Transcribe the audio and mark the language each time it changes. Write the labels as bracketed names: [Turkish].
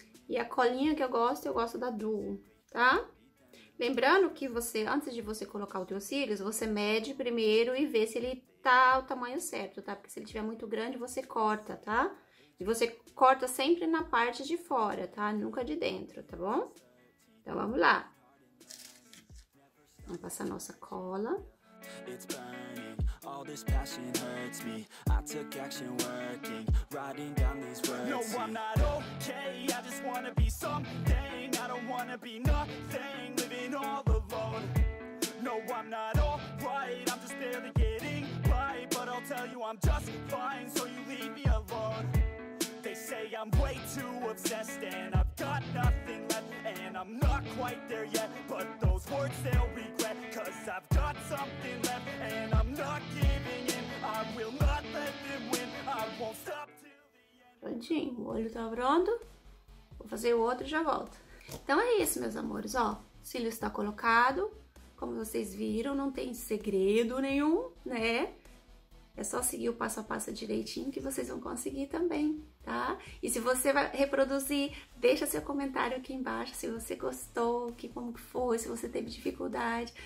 [Portuguese] E a colinha que eu gosto da Duo, tá? Lembrando que você, antes de você colocar os teus cílios, você mede primeiro e vê se ele tá o tamanho certo, tá? Porque se ele tiver muito grande, você corta, tá? E você corta sempre na parte de fora, tá? Nunca de dentro, tá bom? Então, vamos lá. Vamos passar a nossa cola. [English] It's burning, all this passion hurts me. I took action working, writing down these words. No, I'm not okay, I just wanna be something. I don't wanna be nothing, living all alone. No, I'm not alright, I'm just barely getting right. But I'll tell you I'm just fine, so you leave me alone. They say I'm way too obsessed and I've got nothing left. And I'm not quite there yet, but those words they'll regret. Cause I've got something left and I'm not giving in. I will not let them win, I won't stop till the end. [Portuguese] Prontinho, o olho tá pronto. Vou fazer o outro e já volto. Então é isso, meus amores, ó. O cílio está colocado. Como vocês viram, não tem segredo nenhum, né? É só seguir o passo a passo direitinho que vocês vão conseguir também, tá? E se você vai reproduzir, deixa seu comentário aqui embaixo se você gostou, que como que foi, se você teve dificuldade.